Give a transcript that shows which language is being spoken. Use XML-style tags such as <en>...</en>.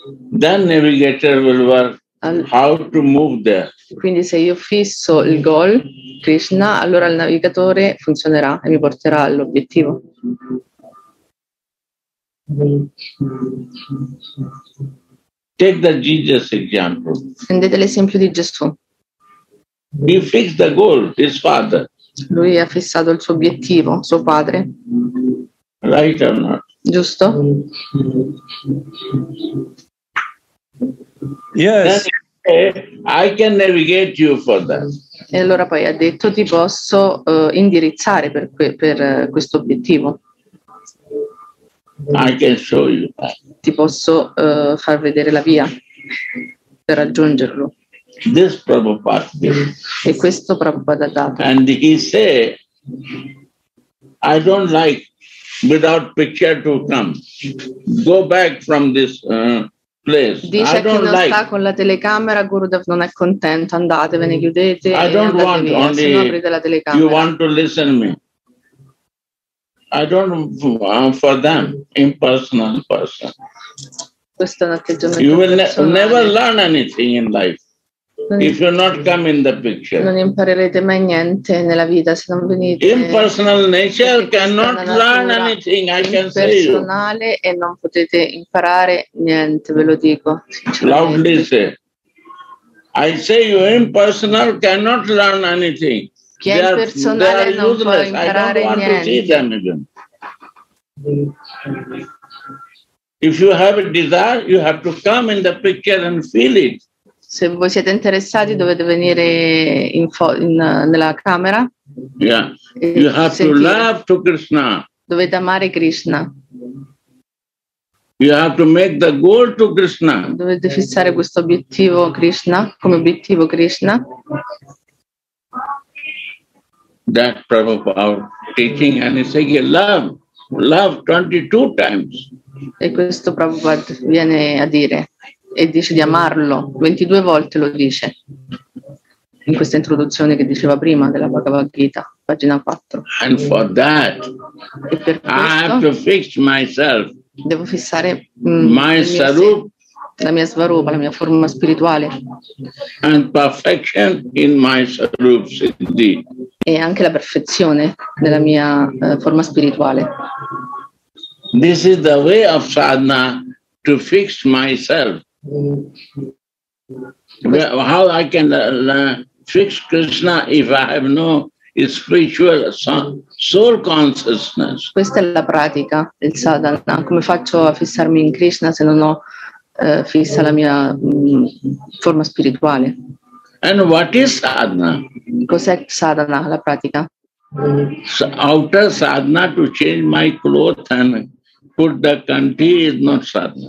<en>Then navigator will work how to move there.</en> <it>Quindi se io fisso il goal, Krishna, allora il navigatore funzionerà e mi porterà all'obiettivo.</it> <en>Take the Jesus example.</en> <it>Prendete l'esempio di Gesù.</it> <en>He fixed the goal, his father.</en> <it>Lui ha fissato il suo obiettivo, suo padre.</it> <en>Right or not?</en> <it>Giusto?</it> <en>Yes. I can navigate you for that.</en> <it>E allora poi ha detto ti posso indirizzare per questo obiettivo.</it> <en>I can show you.</en> <it>Ti posso far vedere la via per raggiungerlo.</it> <en>This Prabhupada.</en> <it>E questo Prabhupada dato.</it> <en>And he say, I don't like without picture to come. Go back from this place.</en> <it>Dice</it> <en>I don't</en> <it>che non</it> <en>like.</en> <it>Sta con la telecamera, Gurudev non è contento. Andatevene, chiudete.</it> <en>I don't want</en> <it>via,</it> <en>only. You want to listen to me. I don't want for them impersonal person.</en> <it>Questo è un atteggiamento.</it> <en>You will never learn anything in life. If you not come in the picture.</en> <it>Non imparerete mai niente nella vita se non venite.</it> <en>Impersonal nature cannot learn anything, I can say you.</en> <it>Impersonale e non potete imparare niente, ve lo dico.</it> <en>Loudly say. I say you impersonal cannot learn anything.</en> <it>chi è il personale non può imparare niente.</it> <en>If you have a desire, you have to come in the picture and feel it.</en> <it>Se voi siete interessati, dovete venire nella camera.</it> <en>Yeah, you have sentire. To love to Krishna.</en> <it>Dovete amare Krishna.</it> <en>You have to make the goal to Krishna.</en> <it>Dovete fissare questo obiettivo Krishna, come obiettivo Krishna.</it> <en>That Prabhupada our teaching and he said, yeah, love, love 22 times.</en> <it>E questo Prabhupada viene a dire e dice di amarlo 22 volte, lo dice in questa introduzione che diceva prima della Bhagavad Gita, pagina 4.</it> <en>And for that,</en> <it>e per questo</it> <en>I have to fix myself,</en> <it>devo fissare</it> <en>my</en> <it>la mia svarupa, la mia forma spirituale</it> <en>and perfection in my svarupa siddhi,</en> <it>e anche la perfezione nella mia forma spirituale.</it> <en>This is the way of sadhana, to fix myself. How I can fix Krishna if I have no spiritual soul consciousness?</en> <it>Questa è la pratica del sadhana. Come faccio a fissarmi in Krishna se non ho fissa la mia forma spirituale?</it> <en>And what is sadhana?</en> <it>Cos'è sadhana, la pratica?</it> <en>So outer sadhana to change my clothes and put the kanti is not sadhana.</en>